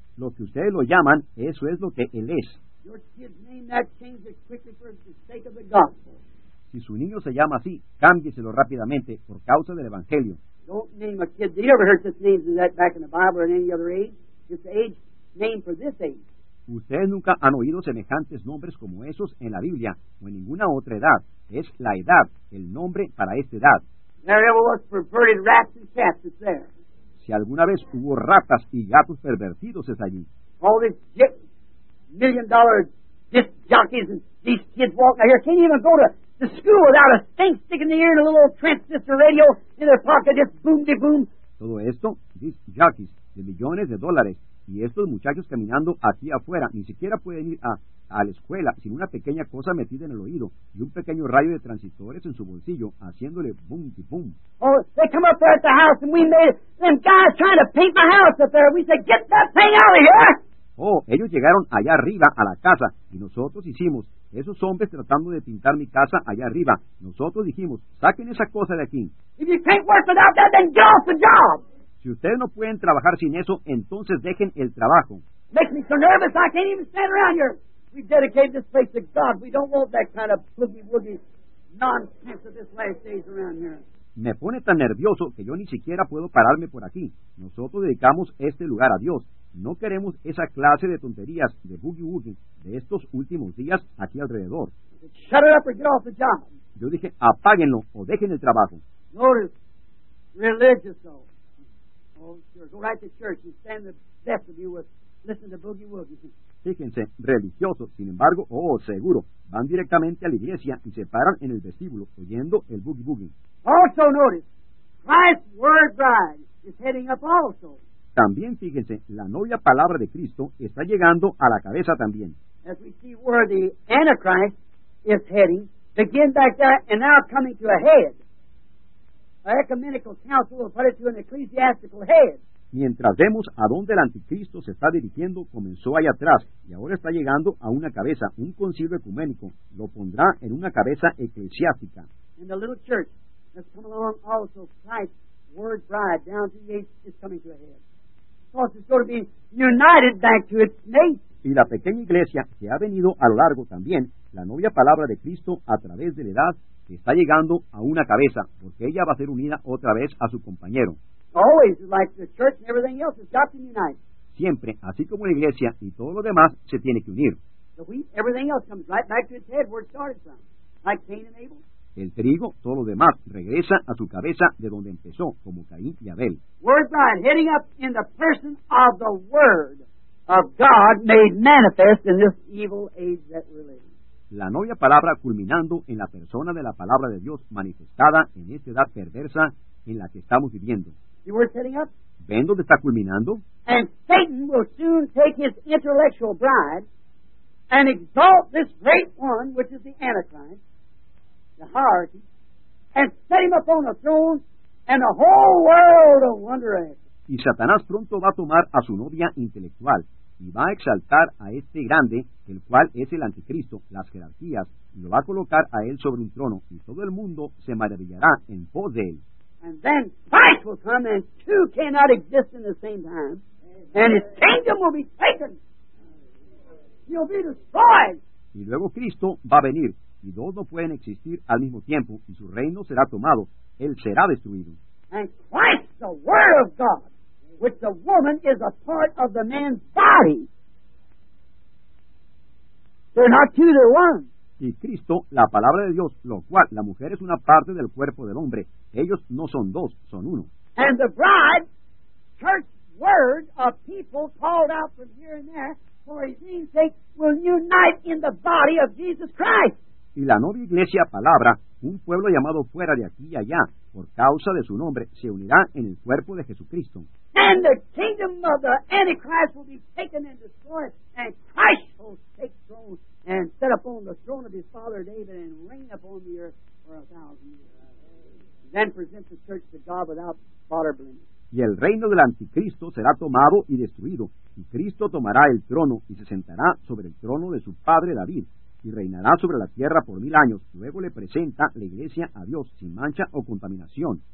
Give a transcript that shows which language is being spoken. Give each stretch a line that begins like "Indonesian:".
Spanish: Lo que ustedes lo llaman, eso es lo que él es.
English: Your kid's name, that changes quickly for the sake of the gospel.
Spanish: Si su niño se llama así, cámbieselo rápidamente por causa del evangelio.
English: Don't name a kid. Did you ever hear such names as that back in the Bible or in any other age? Just age name for this age.
Spanish: Ustedes nunca han oído semejantes nombres como esos en la Biblia o en ninguna otra edad. Es la edad, el nombre para esta edad.
English: There ever was perverted rats and cats, it's there.
Spanish: Si alguna vez hubo ratas y gatos pervertidos, es allí.
English: All these million-dollar disc jockeys and these kids walking out here can't even go to school without a stink stick in the ear and a little old transistor radio in their pocket, just boom-de-boom.
Spanish: Todo esto, disc jockeys de millones de dólares. Y estos muchachos caminando aquí afuera ni siquiera pueden ir a la escuela sin una pequeña cosa metida en el oído y un pequeño rayo de transistores en su bolsillo haciéndole boom y boom.
English: Oh, they come up there at the house and we made them guys trying to paint my house up there. We said, get that thing out of here.
Spanish: Oh, ellos llegaron allá arriba a la casa y nosotros hicimos esos hombres tratando de pintar mi casa allá arriba. Nosotros dijimos, saquen esa cosa de aquí.
English: If you can't work without that, then get off the job.
Spanish: Si ustedes no pueden trabajar sin eso, entonces dejen el trabajo.
English: Makes me so nervous I can't even stand around here. We dedicate this place to God. We don't want that kind of boogie-woogie nonsense of this last days around here.
Spanish: Me pone tan nervioso que yo ni siquiera puedo pararme por aquí. Nosotros dedicamos este lugar a Dios. No queremos esa clase de tonterías de boogie-woogie de estos últimos días aquí alrededor.
English: Shut it up or get off the job.
Spanish: Yo dije, apáguenlo o dejen el trabajo.
English: Notice, religious though. Oh, sure. Go right to church and stand the best of you with listen to boogie woogie.
Spanish: Fíjense, religioso, sin embargo, oh, seguro, van directamente a la iglesia y se paran en el vestíbulo oyendo el boogie woogie.
English: Also notice, Christ's word bride is heading up also.
Spanish: También fíjense, la novia palabra de Cristo está llegando a la cabeza también.
English: As we see where the Antichrist is heading, begin back there and now coming to a head. An ecumenical council will put it to an ecclesiastical head.
Spanish: mientras vemos a dónde el anticristo se está dirigiendo, comenzó allá atrás y ahora está llegando a una cabeza, un concilio ecuménico. Lo pondrá en una cabeza eclesiástica.
English: And the little church that's coming along also, Christ's word bride down to the eighth is coming to a head. Of course, it's going to be united back to its mate.
Spanish: Y la pequeña iglesia que ha venido a lo largo también, la novia palabra de Cristo a través de la edad, que está llegando a una cabeza, porque ella va a ser unida otra vez a su compañero.
English: Always, like the church and everything else, has got to unite.
Spanish: Siempre, así como la iglesia y todo lo demás, se tiene que unir.
English: The wheat, everything else comes right back to its head where it started from, like Cain and Abel.
Spanish: El trigo, todo lo demás, regresa a su cabeza de donde empezó, como Caín y Abel.
English: Word bride, heading up in the person of the Word of God made manifest in this evil age that we live.
Spanish: La novia palabra culminando en la persona de la palabra de Dios manifestada en esta edad perversa en la que estamos viviendo.
English: You were setting up?
Spanish: ¿Ven dónde está culminando?
English: And Satan will soon take his intellectual bride and exalt this great one, which is the Antichrist, the hierarchy, and set him upon a throne, and the whole world will wonder at it.
Spanish: Y Satanás pronto va a tomar a su novia intelectual y va a exaltar a este grande, el cual es el anticristo, las jerarquías, y lo va a colocar a él sobre un trono, y todo el mundo se maravillará en pos de él.
English: And then Christ will come, and two cannot exist in the same time, and his kingdom will be taken. He'll be destroyed.
Spanish: Y luego Cristo va a venir, y dos no pueden existir al mismo tiempo, y su reino será tomado, él será destruido.
English: And Christ, the Word of God, which the woman is a part of the man's body. They're not two, they're one.
Spanish: Y Cristo, la palabra de Dios, lo cual la mujer es una parte del cuerpo del hombre. Ellos no son dos, son uno.
English: And the bride, church word of people called out from here and there for his name's sake, will unite in the body of Jesus Christ.
Spanish: Y la novia iglesia palabra, un pueblo llamado fuera de aquí y allá, por causa de su nombre, se unirá en el cuerpo de Jesucristo.
English: And the kingdom of the Antichrist will be taken and destroyed, and Christ will take throne and set upon the throne of his father David and reign upon the earth for 1,000 years. Then present the church to God without spot or blemish.
Spanish: Y el reino del anticristo será tomado y destruido, y Cristo tomará el trono y se sentará sobre el trono de su padre David. Y reinará sobre la tierra por 1,000 años. Luego le presenta la iglesia a Dios sin mancha o contaminación.